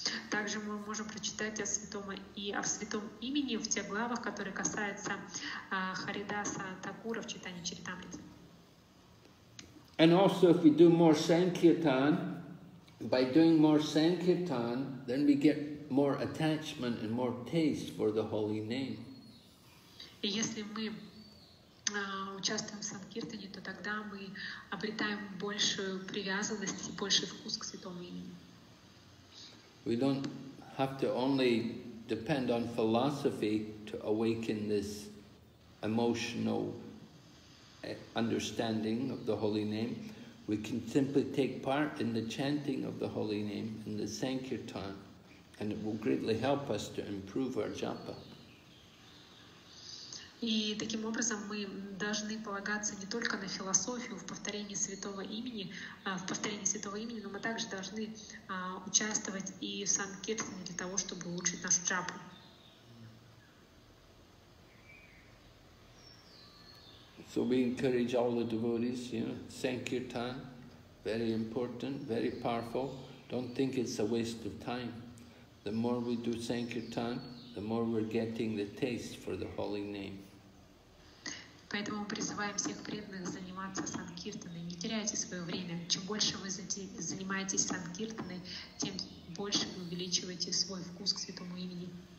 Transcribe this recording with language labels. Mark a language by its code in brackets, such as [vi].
[ru] Также мы можем прочитать о святом и о святом имени в тех главах, которые касаются Харидаса Такура в Чайтанья Чаритамрите. [en] And also, if we do more Sankirtan, by doing more Sankirtan, then we get more attachment and more taste for the holy name. [ru] И если мы участвуем в Санкиртане, то тогда мы обретаем большую привязанность и больший вкус к святому имени. [en] We don't have to only depend on philosophy to awaken this emotional understanding of the holy name. We can simply take part in the chanting of the holy name in the Sankirtan, and it will greatly help us to improve our japa. [ru] И таким образом мы должны полагаться не только на философию в повторении святого имени, но мы также должны участвовать и в Санкиртане для того, чтобы улучшить нашу джапу. [en] So we encourage all the devotees, you know, Sankirtan, very important, very powerful. Don't think it's a waste of time. The more we do Sankirtan, the more we're getting the taste for the holy name. [ru] Поэтому призываем всех преданных заниматься Санкиртаной. Не теряйте свое время. Чем больше вы занимаетесь Санкиртаной, тем больше вы увеличиваете свой вкус к святому имени.